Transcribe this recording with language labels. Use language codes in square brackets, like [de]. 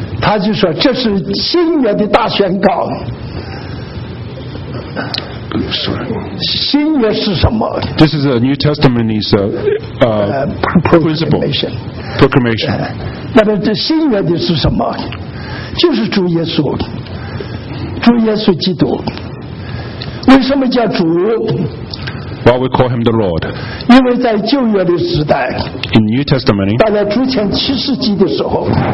[zh] 他就说这是新约的大宣告。新约是什么？ [en] This is a New Testament's principle. Proclamation. [zh] 那么这新约的是什么？就是主耶稣，主耶稣基督。为什么叫主？ [en] Why we call him the Lord? [zh] 因为在旧约的时代。 [en] In New Testament. [zh] 到了主前七世纪的时候。